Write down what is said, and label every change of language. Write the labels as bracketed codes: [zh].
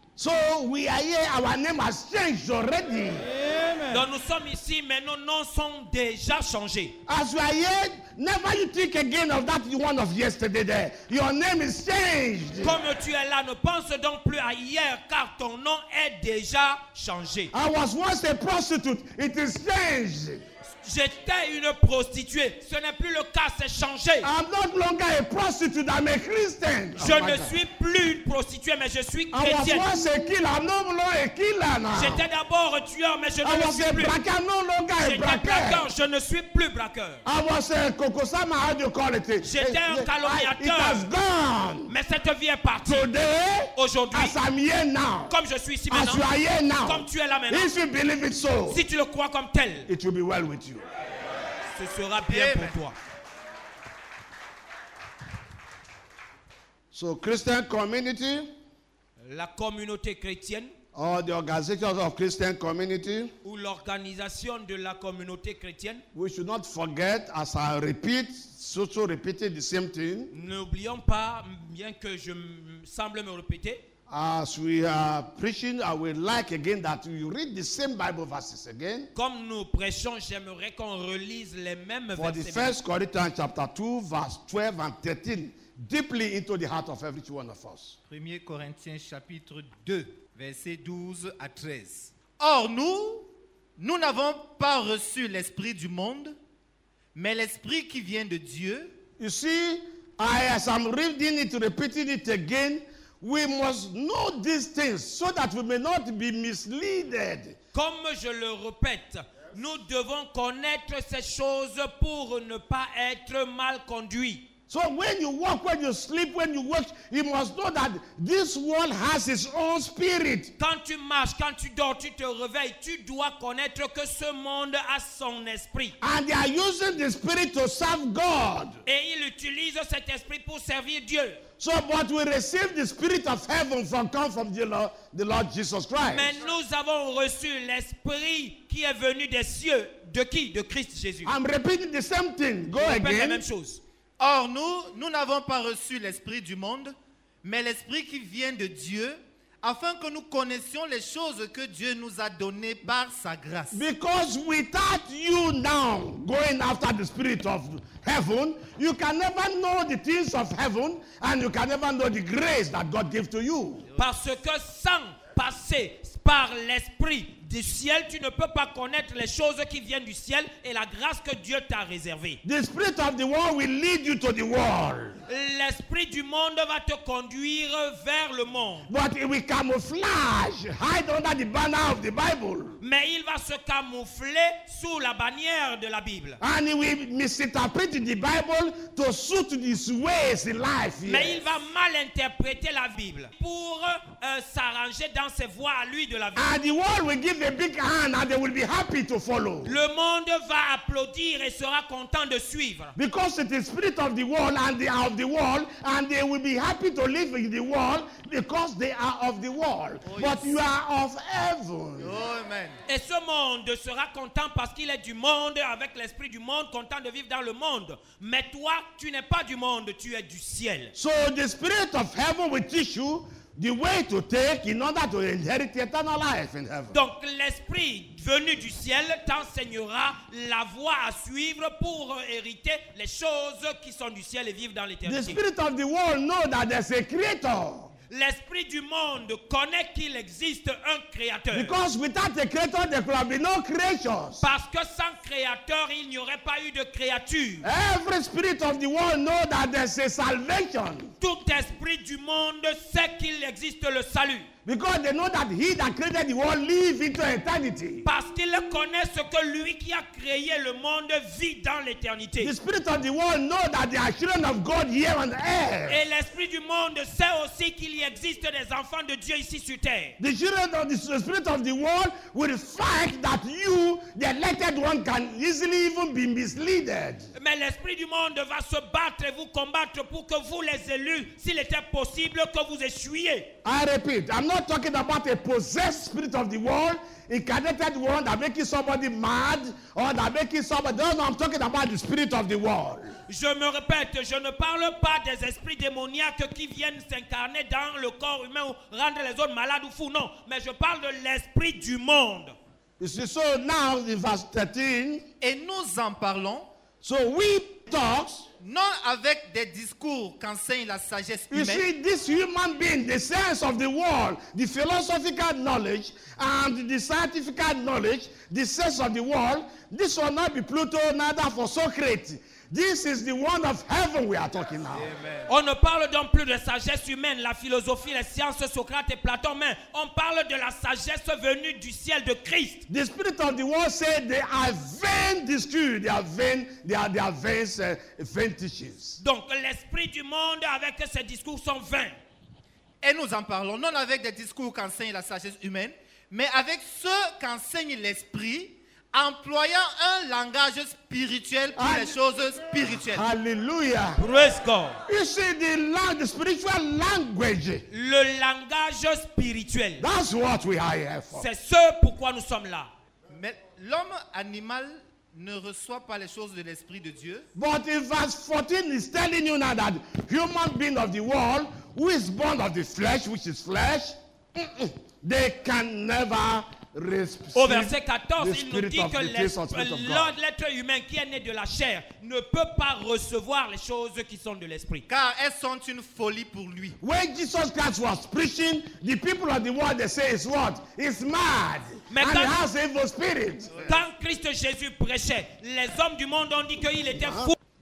[en] So we are here, our name has changed already. Amen. [fr] Donc nous sommes ici, mais nos noms sont déjà changés. [en] As we are here, never you think again of that one of yesterday there. Your name is changed. [fr] Comme tu es là, ne pense donc plus à hier, car ton nom est déjà changé. [en] I was once a prostitute, it is changed. [fr] J'étais une prostituée. Ce n'est plus le cas, c'est changé. [en] I'm not longer a prostitute, I'm a Christian. [fr] Je ne suis plus une prostituée, mais je suis chrétienne. [en] I was once a killer, I'm no longer a killer now. [fr] J'étais d'abord tueur, mais je ne le suis plus. [en] I was a braqueur, no longer a braqueur. [fr] J'étais braqueur, je ne suis plus braqueur. [en] I was a cocosama, how do you call it? [fr] J'étais un calomniateur. [en] It has gone. [fr] Mais cette vie est partie. [en] Today, [fr] aujourd'hui, [en] as I'm here now. [fr] Comme je suis ici maintenant. [en] As you are here now. [fr] Comme tu es là maintenant. [en] If you believe it so, [fr] si tu le crois comme tel, [en] it will be well with you. [fr] Ce sera bien Amen. Pour toi. [en] So Christian community, [fr] la communauté chrétienne, [en] or the organization of Christian community, [fr] ou l'organisation de la communauté chrétienne, [en] we should not forget, as I repeat, so repeated the same thing. [fr] N'oublions pas, bien que je semble me répéter. [en] As we are preaching, I would like again that you read the same Bible verses again. [fr] Comme nous prêchons, j'aimerais qu'on relise les mêmes versets. [en] For the First Corinthians chapter 2, verse 12 and 13, deeply into the heart of every one of us. [fr] 1 Corinthiens chapitre 2, versets 12 à 13. Or nous n'avons pas reçu l'esprit du monde, mais l'esprit qui vient de Dieu. [en] You see, as I'm reading it, repeating it again, we must know these things so that we may not be misled. [fr] Comme je le répète, nous devons connaître ces choses pour ne pas être mal conduits. [en] So when you walk, when you sleep, when you watch, you must know that this world has its own spirit. [fr] Quand tu marches, quand tu dors, tu te réveilles, tu dois connaître que ce monde a son esprit. [en] And they are using the spirit to serve God. [fr] Et ils utilisent cet esprit pour servir Dieu. [en] So, but we receive the spirit of heaven from come from the Lord Jesus Christ. [fr] Mais nous avons reçu l'esprit qui est venu des cieux. De qui? De Christ Jésus. [en] I'm repeating the same thing. Go [fr] Je [en] again. [fr] La même chose. Or nous n'avons pas reçu l'esprit du monde, mais l'esprit qui vient de Dieu, afin que nous connaissions les choses que Dieu nous a données par sa grâce. [en] Because without you now going after the spirit of heaven, you can never know the things of heaven and you can never know the grace that God gave to you. [fr] Parce que sans passer par l'esprit du ciel, tu ne peux pas connaître les choses qui viennent du ciel et la grâce que Dieu t'a réservée. [en] The spirit of the world will lead you to the world. [fr] L'esprit du monde va te conduire vers le monde. [en] But it will camouflage, hide under the banner of the Bible. [fr] Mais il va se camoufler sous la bannière de la Bible. [en] And he will misinterpret the Bible to suit his ways in life. [fr] Mais il va mal interpréter la Bible pour s'arranger dans ses voies à lui de la vie. [en] And the world will give a big hand and they will be happy to follow. [fr] Le monde va applaudir et sera content de suivre. [en] Because it is the spirit of the world and they are of the world and they will be happy to live in the world because they are of the world. Oh, yes. But you are of heaven. Oh, amen. [fr] Et ce monde sera content parce qu'il est du monde avec l'esprit du monde, content de vivre dans le monde. Mais toi, tu n'es pas du monde, tu es du ciel. [en] So the spirit of heaven will teach you the way to take in order to inherit eternal life in heaven. [fr] Donc l'esprit venu du ciel t'enseignera la voie à suivre pour hériter les choses qui sont du ciel et vivre dans l'éternité. [en] The spirit of the world knows that there's a creator. [fr] L'esprit du monde connaît qu'il existe un créateur. [en] Because without a creator, there could have been no creatures. [fr] Parce que sans créateur, il n'y aurait pas eu de créature. [en] Every spirit of the world knows that there's a salvation. [fr] Tout esprit du monde sait qu'il existe le salut. [en] Because they know that he that created the world lives into eternity. [fr] Parce qu'ils connaissent que lui qui a créé le monde vit dans l'éternité. [en] The spirit of the world know that they are children of God here on earth. [fr] Et l'esprit du monde sait aussi qu'il y existe des enfants de Dieu ici sur terre. [en] The children of the spirit of the world will fight that you, the elected one, can easily even be misled. [fr] Mais l'esprit du monde va se battre et vous combattre pour que vous les élus, s'il était possible, que vous échouiez. [en] I repeat, I'm not talking about a possessed spirit of the world, incarnated one that makes somebody mad or that makes somebody. No, I'm talking about the spirit of the world. [fr] Je me répète, je ne parle pas des esprits démoniaques qui viennent s'incarner dans le corps humain ou rendre les autres malades ou fous. Non, mais je parle de l'esprit du monde. [en] You see, so now in verse 13. [fr] Et nous en parlons. [en] So we talk. [fr] Non avec des discours qu'enseigne la sagesse humaine. [en] You see, this human being, the sense of the world, the philosophical knowledge, and the scientific knowledge, the sense of the world, this will not be Pluto, neither for Socrates. This is the one of heaven we are talking now. Amen. [fr] On ne parle donc plus de sagesse humaine, la philosophie, les sciences, Socrate et Platon, mais on parle de la sagesse venue du ciel de Christ. [en] The spirit of the world said they are vain discourse, they are vain teachings. [fr] Donc l'esprit du monde avec ses discours sont vains. Et nous en parlons non avec des discours qu'enseigne la sagesse humaine, mais avec ceux qu'enseigne l'esprit, employant un langage spirituel pour les choses spirituelles. Alléluia. [en] Praise God. You see, the spiritual language. [fr] Le langage spirituel. [en] That's what we are here for. [fr] C'est ce pourquoi nous sommes là. Mais l'homme animal ne reçoit pas les choses de l'esprit de Dieu. [en] But in verse 14 is telling you now that human being of the world who is born of the flesh, which is flesh, they can never. [fr] Au verset 14, il nous dit que l'être humain qui est né de la chair ne peut pas recevoir les choses qui sont de l'esprit. Car elles sont une folie pour lui. [en] When Jesus Christ was preaching, the people of the world they say is what? It's mad. [fr] Mais [en] and [fr] quand, [en] he has evil spirit. [fr] Quand Christ Jésus prêchait, les hommes du monde ont dit qu'il était fou.